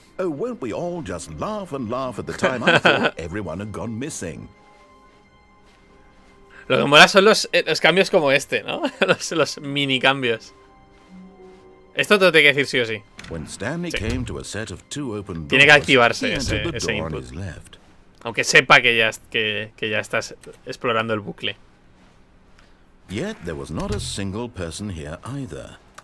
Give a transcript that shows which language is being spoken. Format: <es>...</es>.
<en>Oh, won't we all just laugh and laugh at the time I thought everyone had gone missing.</en> <es>Lo que mola son los cambios como este, ¿no? Los mini cambios. Esto te lo tengo que decir sí o sí.</es> <en>When Stanley sí. Came to a set of two open doors,</en> <es>tiene que activarse ese input. Aunque sepa que ya estás explorando el bucle.</es> <en>Yet there was not a single person here either.</en>